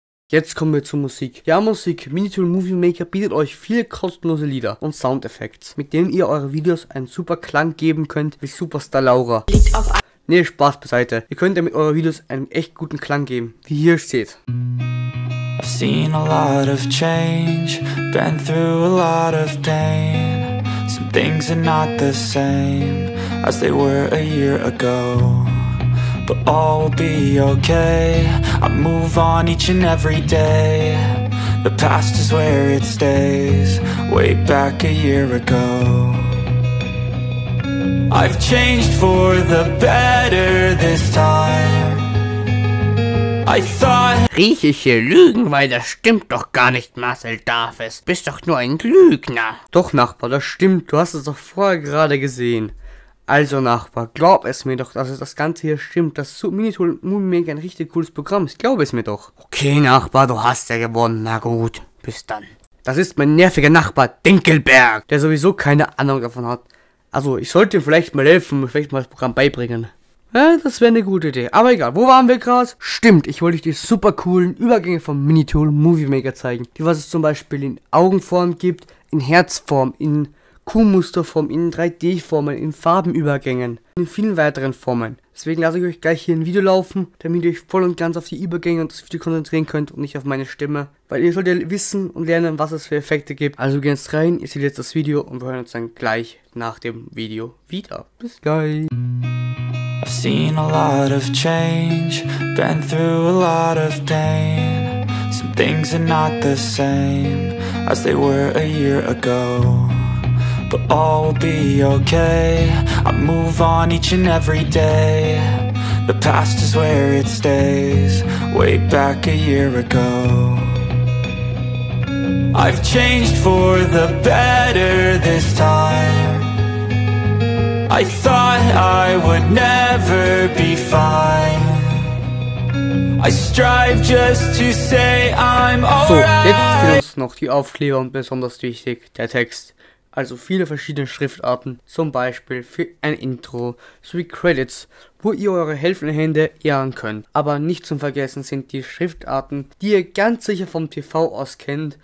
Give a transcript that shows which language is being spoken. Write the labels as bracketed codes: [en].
[de] Jetzt kommen wir zur Musik. Ja, Musik, Minitool Movie Maker bietet euch viele kostenlose Lieder und Soundeffekte, mit denen ihr eure Videos einen super Klang geben könnt, wie Superstar Laura. Nee, Spaß beiseite. Ihr könnt damit eure Videos einen echt guten Klang geben, wie hier steht. [en] I've seen a lot of change, been through a lot of pain. Some things are not the same, as they were a year ago. But all will be okay, I move on each and every day. The past is where it stays, way back a year ago. I've changed for the better this time. I thought... [de] Griechische Lügen, weil das stimmt doch gar nicht, Marcel darf es. Bist doch nur ein Lügner. Doch, Nachbar, das stimmt, du hast es doch vorher gerade gesehen. Also Nachbar, glaub es mir doch, dass das Ganze hier stimmt, dass Minitool Movie Maker ein richtig cooles Programm ist, glaub es mir doch. Okay Nachbar, du hast ja gewonnen, na gut, bis dann. Das ist mein nerviger Nachbar, Dinkelberg, der sowieso keine Ahnung davon hat. Also, ich sollte ihm vielleicht mal helfen, vielleicht mal das Programm beibringen. Ja, das wäre eine gute Idee, aber egal, wo waren wir gerade? Stimmt, ich wollte euch die super coolen Übergänge von Minitool Movie Maker zeigen, die was es zum Beispiel in Augenform gibt, in Herzform, in... Kuhmusterform, in 3D-Formen, in Farbenübergängen, in vielen weiteren Formen. Deswegen lasse ich euch gleich hier ein Video laufen, damit ihr euch voll und ganz auf die Übergänge und das Video konzentrieren könnt und nicht auf meine Stimme. Weil ihr solltet wissen und lernen, was es für Effekte gibt. Also geht jetzt rein, ihr seht jetzt das Video und wir hören uns dann gleich nach dem Video wieder. Bis gleich. [en] I've seen a lot of change, been through a lot of pain. Some things are not the same, as they were a year ago. But all will be okay, I move on each and every day. The past is where it stays, way back a year ago. I've changed for the better this time. I thought I would never be fine. I strive just to say I'm alright. [de] So, jetzt fehlt noch die Aufkleber und besonders wichtig, der Text. Also viele verschiedene Schriftarten, zum Beispiel für ein Intro, sowie Credits, wo ihr eure helfenden Hände ehren könnt. Aber nicht zum Vergessen sind die Schriftarten, die ihr ganz sicher vom TV aus kennt.